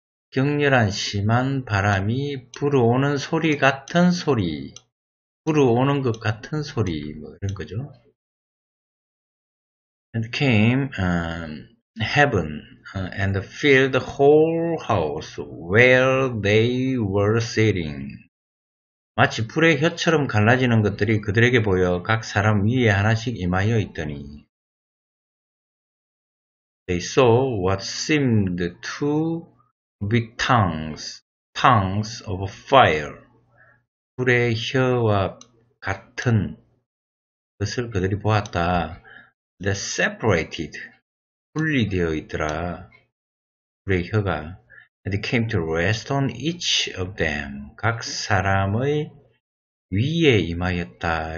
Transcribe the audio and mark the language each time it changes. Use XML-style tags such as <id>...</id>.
<ko>격렬한 심한 바람이 불어오는 소리 같은 소리, 불어오는 것 같은 소리, 뭐 이런 거죠.</ko> <en>And came heaven and filled the whole house where they were sitting.</en> <ko>마치 불의 혀처럼 갈라지는 것들이 그들에게 보여 각 사람 위에 하나씩 임하여 있더니.</ko> <en>They saw what seemed to be tongues of fire.</en> <ko>불의 혀와 같은 것을 그들이 보았다.</ko> <en>They separated.</en> <ko>분리되어 있더라. 불의 혀가.</ko> <en>And it came to rest on each of them.</en> <ko>각 사람의 위에 임하였다.</ko>